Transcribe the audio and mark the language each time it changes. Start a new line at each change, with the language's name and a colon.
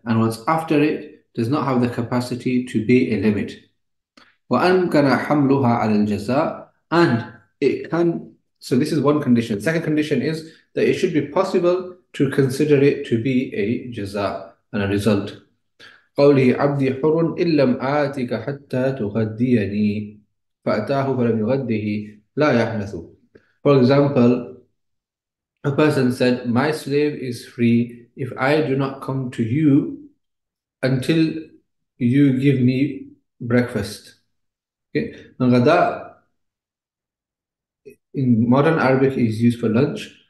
English: And what's after it does not have the capacity to be a limit.
Arabic: وَأَمْكَنَ حَمْلُهَا عَلَى الْجَزَاءِ.
English: And it can. So this is one condition. Second condition is that it should be possible to consider it to be a jaza and a result.
Arabic: قولي عبدي حر إن لم آتك حتى تغديني فأتاه فلم يغده لا يحنث.
English: For example, a person said, my slave is free if I do not come to you until you give me breakfast. Okay, غدا in modern Arabic is used for lunch.